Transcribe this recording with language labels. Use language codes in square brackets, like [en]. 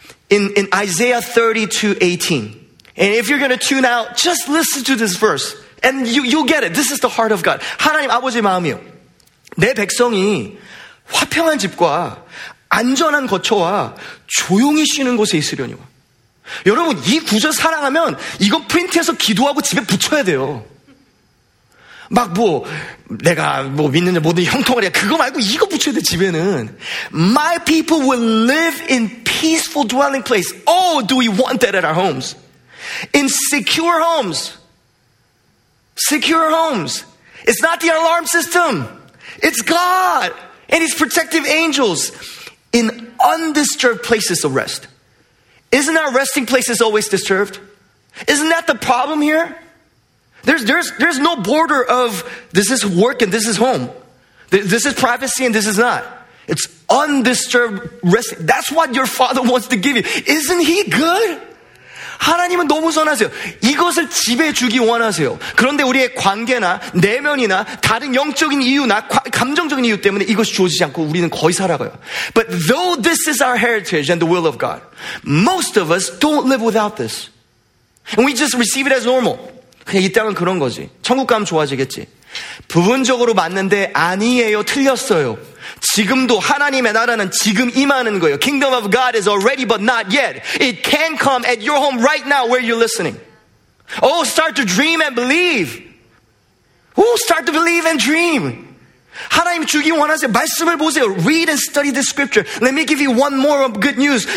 [en] In Isaiah 32:18, and if you're going to tune out, just listen to this verse, and you'll get it. This is the heart of God. [ko] 하나님 아버지의 마음이요. 내 백성이 화평한 집과 안전한 거처와 조용히 쉬는 곳에 있으려니와. 여러분, 이 구절 사랑하면 이거 프린트해서 기도하고 집에 붙여야 돼요. 막 뭐 내가 뭐 믿는 모든 형통을 해야 그거 말고 이거 붙여야 돼 집에는. [en] My people will live in peaceful dwelling place. Oh, do we want that at our homes? In secure homes. Secure homes. It's not the alarm system. It's God and His protective angels in undisturbed places of rest. Isn't our resting places always disturbed? Isn't that the problem here? There's no border of this is work and this is home. This is privacy and this is not. It's undisturbed rest. That's what your Father wants to give you. Isn't He good? [ko] 하나님은 너무 선하세요. 이것을 집에 주기 원하세요. 그런데 우리의 관계나 내면이나 다른 영적인 이유나 감정적인 이유 때문에 이것이 주어지지 않고 우리는 거의 살아가요. [en] But though this is our heritage and the will of God, most of us don't live without this. And we just receive it as normal. [ko] 그냥 이 땅은 그런 거지. 천국 가면 좋아지겠지. 부분적으로 맞는데 아니에요. 틀렸어요. 지금도 하나님의 나라는 지금 임하는 거예요. [en] Kingdom of God is already but not yet. It can come at your home right now where you're listening. Oh, start to dream and believe. Oh, start to believe and dream. [ko] 하나님 주기 원하세요. 말씀을 보세요. [en] Read and study the scripture. Let me give you one more good news.